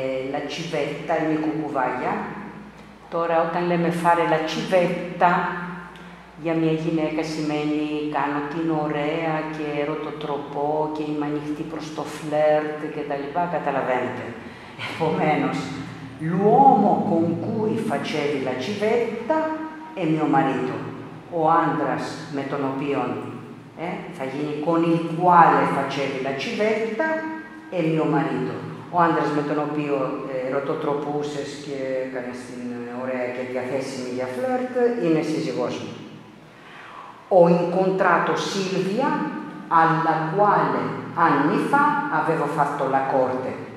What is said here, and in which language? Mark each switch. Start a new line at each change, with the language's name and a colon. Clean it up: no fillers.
Italian: La civetta è mia cucuvaglia.
Greek: Τώρα, όταν λέμε
Italian: fare la civetta,
Greek: για μια γυναίκα σημαίνει κάνω την ωραία και ερωτοτροπώ και είμαι ανοιχτή προς το φλερτ και τα λοιπά, καταλαβαίνετε.
Italian: Επομένως, l'uomo con cui facevi la civetta è mio marito.
Greek: Ο άντρας με τον οποίο θα γίνει,
Italian: con il quale facevi la civetta è mio marito.
Greek: Ο άντρας με τον οποίο ερωτοτροπούσες και έκανες την ωραία και διαθέσιμη για φλερτ είναι σύζυγός μου.
Italian: Ho incontrato Silvia alla quale anni fa avevo fatto la corte.